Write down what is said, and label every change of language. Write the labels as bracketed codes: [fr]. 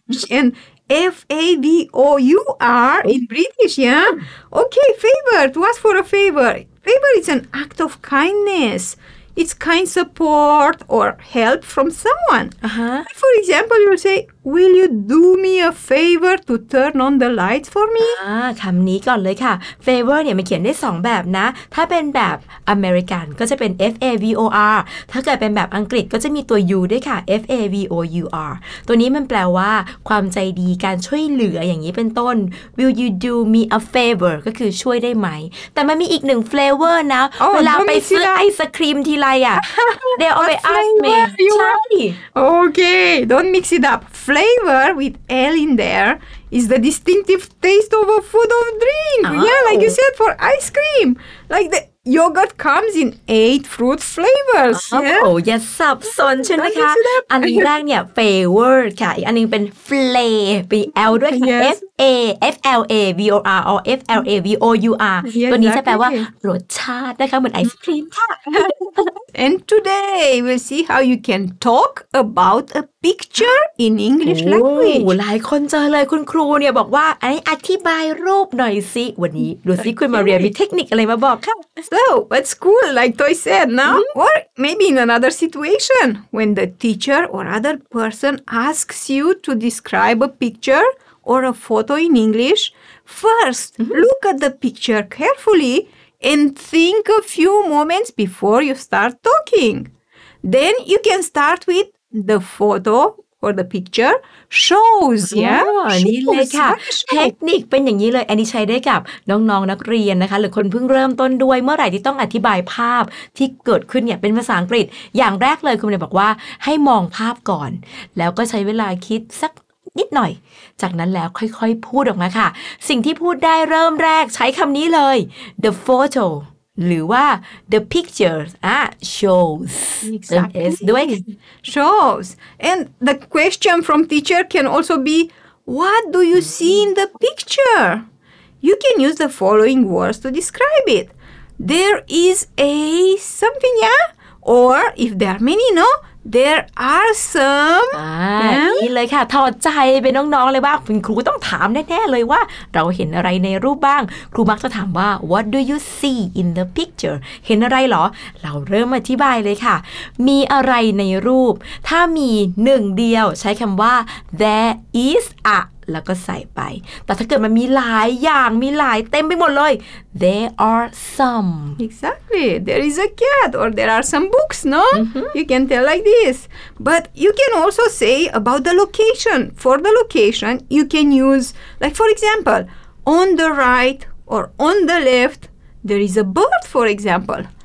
[en] and F-A-V-O-U-R in British, yeah? Okay, favor. To ask for a favor. Favor is an act of kindness. It's kind support or help from someone. Uh-huh. For example, you'll say, will you do me a favor to turn on the lights for me? [th] คำนี้ก่อนเลยค่ะ Favor เนี่ยมันเขียนได้2แบบนะถ้าเป็นแบบอเมริกันก็จะเป็น F-A-V-O-R ถ้าเกิดเป็นแบบอังกฤษก็จะมีตัว U ด้วยค่ะ F-A-V-O-U-R ตัวนี้มันแปลว่าความใจดีการช่วยเหลืออย่างนี้เป็นต้น [en] Will you do me a favor? [th] ก็คือช่วยได้ไหมแต่มันมีอีกหนึ่ง flavor นะเวลาไปซื้อไอศกรีมทีไรอ่ะ [en] They always ask me Okay, don't mix it up. flavor with ale in there is the distinctive taste of a food or drink. Oh. Yeah, like you said, for ice cream. Like the yogurt comes in 8 fruit flavors. Oh, yes, [th] สับสนใช่ไหมคะอันแรกเนี่ย flavor ค่ะอันนึงเป็น flavor ด้วยค่ะ flavor ตัวนี้จะแปลว่ารสชาตินะคะเหมือนไอศกรีมค่ะ [en] And today we'll see how you can talk about a picture in English language. [th] หลายคนเจอเลยคุณครูเนี่ยบอกว่าไอ้อธิบายรูปหน่อยสิวันนี้ดูสิคุณมาเรียนมีเทคนิคอะไรมาบอกค่ะ [en] So at school, like Toy said, no? Or maybe in another situation, when the teacher or other person asks you to describe a picture or a photo in English, first look at the picture carefully and think a few moments before you start talking. Then you can start with the photo or the picture shows, [th] นี่เลยค่ะเทคนิคเป็นอย่างนี้เลยอันนี้ใช้ได้กับน้องๆนักเรียนนะคะหรือคนเพิ่งเริ่มต้นด้วยเมื่อไหร่ที่ต้องอธิบายภาพที่เกิดขึ้นเนี่ยเป็นภาษาอังกฤษอย่างแรกเลยคุณเลยบอกว่าให้มองภาพก่อนแล้วก็ใช้เวลาคิดสักนิดหน่อยจากนั้นแล้วค่อยๆพูดออกมาค่ะสิ่งที่พูดได้เริ่มแรกใช้คำนี้เลย [en] the photo [th] หรือว่า [en] the picture shows exactly shows and the question from teacher can also be what do you see in the picture you can use the following words to describe it there is a something or if there are many There are some [th] นี่เลยค่ะถอดใจไปน้องๆเลยว่าคุณครูต้องถามแน่ๆเลยว่าเราเห็นอะไรในรูปบ้างครูมักจะถามว่า [en] What do you see in the picture [th] เห็นอะไรหรอเราเริ่มอธิบายเลยค่ะมีอะไรในรูปถ้ามีหนึ่งเดียวใช้คำว่า [en] There is a [th] แล้วก็ใส่ไปแต่ถ้าเกิดมันมีหลายอย่างมีหลายเต็มไปหมดเลย [en] There are some Exactly There is a cat or there are some books no You can tell like this but you can also say about the location for the location you can use like for example on the right or on the left there is a bird for example